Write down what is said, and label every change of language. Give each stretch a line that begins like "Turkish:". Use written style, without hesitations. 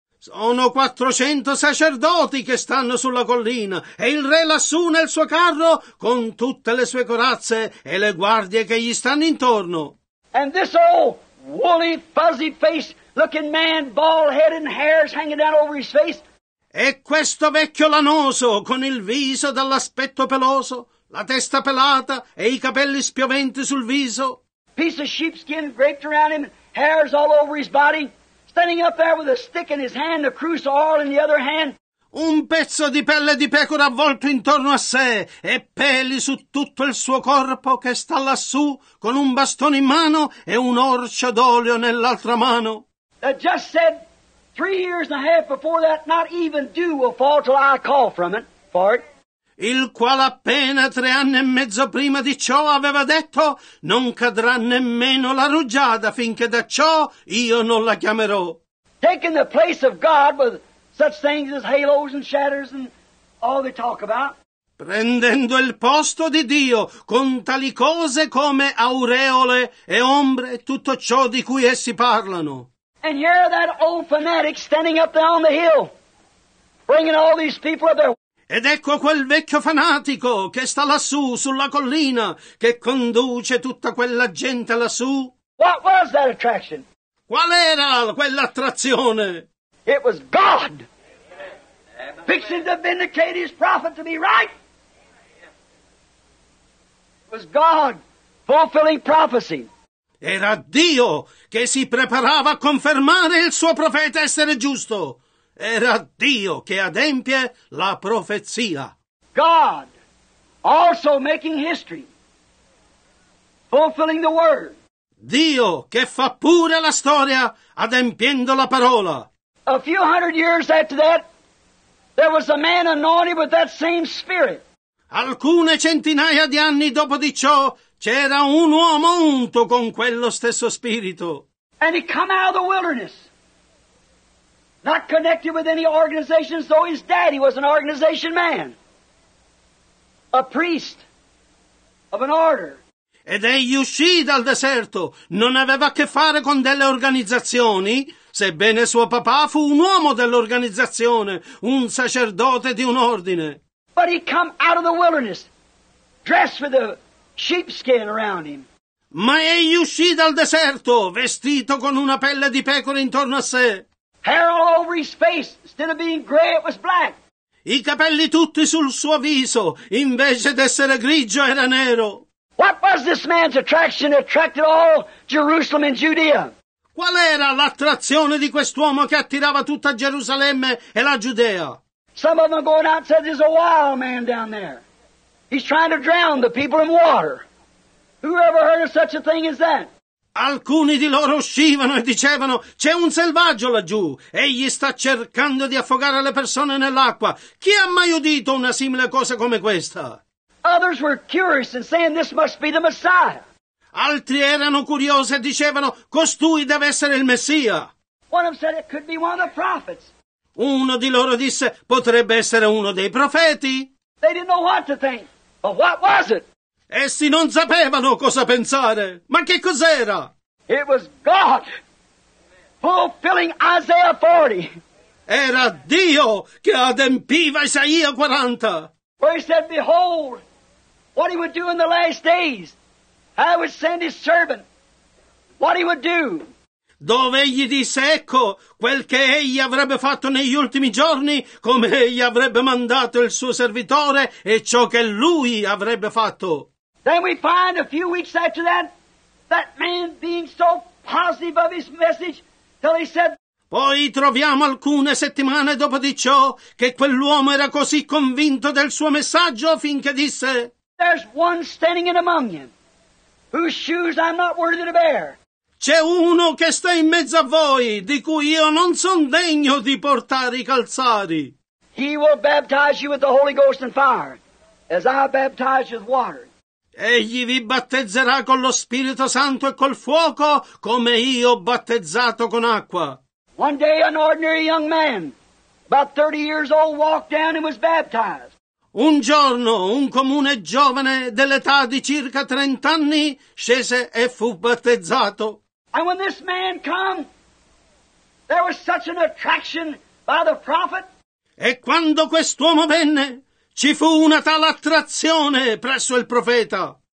Italian: Sono 400 sacerdoti che stanno sulla collina e il re lassù nel suo carro con tutte le sue corazze e le guardie che gli stanno intorno.
English: And this old woolly, fuzzy-faced looking man, bald head and hairs hanging down over his face.
Italian: E questo vecchio lanoso con il viso dall'aspetto peloso, la testa pelata e i capelli spioventi sul viso.
English: Piece of sheepskin draped around him, hairs all over his body. Standing up there with a stick in his hand, a crucifix in the other hand.
Italian: Un pezzo di pelle di pecora avvolto intorno a sé e peli su tutto il suo corpo che sta lassù con un bastone in mano e un orcio d'olio nell'altra mano.
English: That just said 3 years and a half before that, not even dew will fall till I call from it for it.
Italian: Il quale appena 3 anni e mezzo prima di ciò aveva detto, non cadrà nemmeno la rugiada finché da ciò io non la chiamerò.
English: Taking the place of God with such things as halos and shatters and all they talk about.
Italian: Prendendo il posto di Dio con tali cose come aureole e ombre e tutto ciò di cui essi parlano.
English: And here that old fanatic standing up there on the hill, bringing all these people up there.
Italian: Ed ecco quel vecchio fanatico che sta lassù, sulla collina, che conduce tutta quella gente lassù.
English: What was that attraction?
Italian: Qual era quell'attrazione?
English: It was God. Fixing to vindicate his prophet to be right. It was God fulfilling prophecy.
Italian: Era Dio che si preparava a confermare il suo profeta essere giusto. era Dio che adempie la profezia.
English: God also making history, fulfilling the word.
Italian: Dio che fa pure la storia adempiendo la parola.
English: A few hundred years after that, there was a man anointed with that same spirit.
Italian: Alcune centinaia di anni dopo di ciò, c'era un uomo unto con quello stesso spirito.
English: And he come out of the wilderness, not connected with any organizations, though his daddy was an organization man, a priest of an order.
Italian: Ed egli uscì dal deserto, non aveva a che fare con delle organizzazioni, sebbene suo papà fu un uomo dell'organizzazione, un sacerdote di un ordine.
English: But he come out of the wilderness, dressed with a sheepskin around him.
Italian: Ma egli uscì dal deserto, vestito con una pelle di pecore intorno a sé.
English: Hair all over his face, instead of being gray, it was black.
Italian: I capelli tutti sul suo viso, invece d'essere grigio, era nero.
English: What was this man's attraction that attracted all Jerusalem and Judea?
Italian: Qual era l'attrazione di quest'uomo che attirava tutta Gerusalemme e la Giudea?
English: Some of them going out said there's a wild man down there. He's trying to drown the people in water. Who ever heard of such a thing as that?
Italian: Alcuni di loro uscivano e dicevano, c'è un selvaggio laggiù, egli sta cercando di affogare le persone nell'acqua. Chi ha mai udito una simile cosa come questa?
English: Others were curious and saying this must be the Messiah.
Italian: Altri erano curiosi e dicevano, costui deve essere il Messia.
English: One of them said it could be one of the prophets.
Italian: Uno di loro disse, potrebbe essere uno dei profeti.
English: They didn't know what to think, but what was it?
Italian: Essi non sapevano cosa pensare, ma che cos'era?
English: It was God fulfilling Isaiah 40.
Italian: Era Dio che adempiva Isaia 40.
English: Where he said, behold, what he would do in the last days. I would send his servant. What he would do.
Italian: Dove egli disse, ecco, quel che egli avrebbe fatto negli ultimi giorni, come egli avrebbe mandato il suo servitore e ciò che lui avrebbe fatto.
English: Then we find a few weeks after that, that man being so positive of his message, till he said,
Italian: poi troviamo alcune settimane dopo di ciò che quell'uomo era così convinto del suo messaggio finché disse,
English: there's one standing in among you whose shoes I'm not worthy to bear.
Italian: C'è uno che sta in mezzo a voi di cui io non son degno di portare i calzari.
English: He will baptize you with the Holy Ghost and fire as I baptize with water.
Italian: Egli vi battezzerà con lo Spirito Santo e col fuoco come io ho battezzato con acqua.
English: One day an ordinary young man, about 30 years old, walked down and was baptized.
Italian: Un giorno, un comune giovane dell'età di circa 30 anni, scese e fu battezzato.
English: And when this man came, there was such an attraction by the prophet.
Italian: E quando quest'uomo venne, ci fu una tale attrazione presso il profeta.